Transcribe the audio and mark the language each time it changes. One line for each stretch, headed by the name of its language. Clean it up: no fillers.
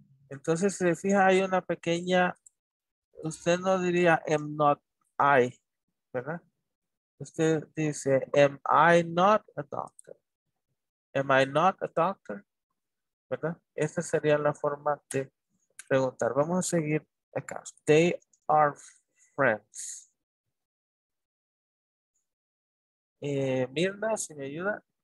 Spanish: Entonces, si se fija, hay una pequeña, usted no diría
English: am not I,
Spanish: ¿verdad? Usted dice,
English: am I not a doctor? Am I not a doctor? ¿Verdad?
Spanish: Esta sería la forma de preguntar. Vamos a seguir acá.
English: They are friends.
Spanish: Mirna, si me ayuda.